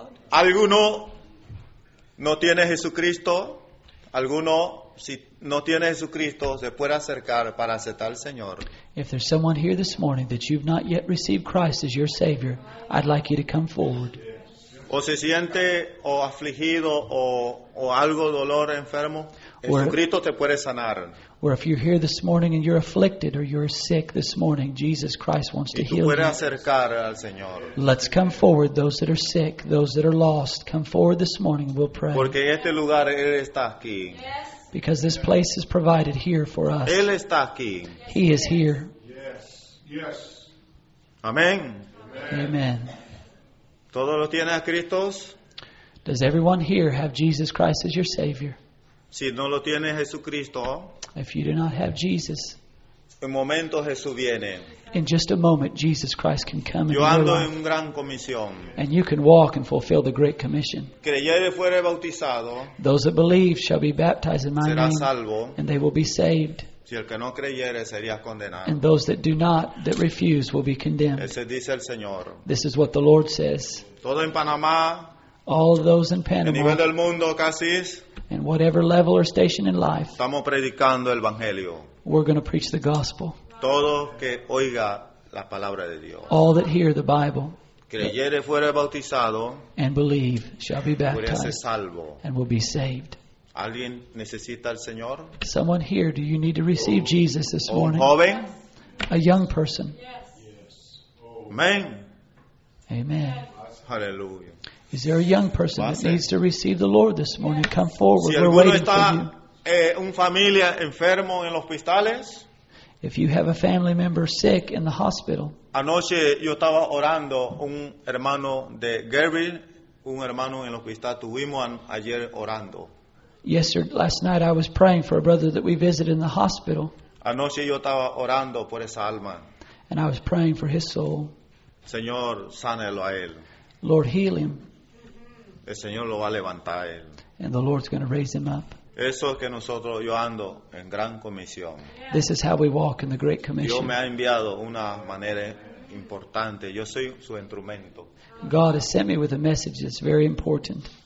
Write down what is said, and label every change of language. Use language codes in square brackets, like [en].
[es] ¿Alguno no tiene Jesucristo? ¿Alguno, si no tiene Jesucristo, se puede acercar para aceptar al Señor? [en] If there's someone here this morning that you've not yet received Christ as your Savior, I'd like you to come forward. [es] O se siente o afligido o algo dolor enfermo, Jesucristo te puede sanar. [en] Or if you're here this morning and you're afflicted or you're sick this morning, Jesus Christ wants to heal you. [es] Al Señor. [en] Let's come forward, those that are sick, those that are lost. Come forward this morning and we'll pray. [es] Este lugar, él está aquí. [en] Because this place is provided here for us. [es] Él está aquí. [en] He is here. Yes. Amen. Amen. [es] ¿Todo lo tiene a Cristo? [en] Does everyone here have Jesus Christ as your Savior? [es] Si no lo tiene Jesucristo, [en] if you do not have Jesus, [es] un momento Jesús viene. [en] In just a moment, Jesus Christ can come [es] yo [en] and [es] en gran comisión. [en] And you can walk and fulfill the Great Commission. [es] Creyere fuere bautizado, [en] those that believe shall be baptized in my [es] será [en] name, [es] salvo, [en] and they will be saved. [es] Si el que no creyere, sería condenado. [en] And those that do not, that refuse, will be condemned. [es] Ese dice el Señor. [en] This is what the Lord says. [es] Todo en Panamá, [en] all of those in Panama, [es] en nivel del mundo, casi es, [en] and whatever level or station in life, [es] estamos predicando el evangelio. [en] We're going to preach the gospel. [es] Todo que oiga la palabra de Dios. [en] All that hear the Bible, [es] creyere fuere bautizado, [en] and believe shall be baptized, [es] salvo, [en] and will be saved. [es] ¿Alguien necesita al Señor? [en] Someone here, do you need to receive Jesus this morning? [es] Joven? [en] A young person. Amen. Amen. Hallelujah. Is there a young person that needs to receive the Lord this morning? Come forward. [es] Si [en] we're waiting [es] está, [en] for you. [es] Un familia enfermo en los hospitales, [en] if you have a family member sick in the hospital. [es] Anoche yo estaba orando un hermano de Gary, un hermano en el hospital. Tuvimos ayer orando. [en] Yesterday, last night I was praying for a brother that we visited in the hospital. [es] Anoche yo estaba orando por esa alma. [en] And I was praying for his soul. [es] Señor, sánelo a él. [en] Lord, heal him. [es] El Señor lo va a levantar él. [en] And the Lord's going to raise him up. [es] Eso es que nosotros, yo ando en gran comisión. [en] This is how we walk in the Great Commission. [es] Dios me ha enviado una manera importante. Yo soy su instrumento. [en] God has sent me with a message that's very important.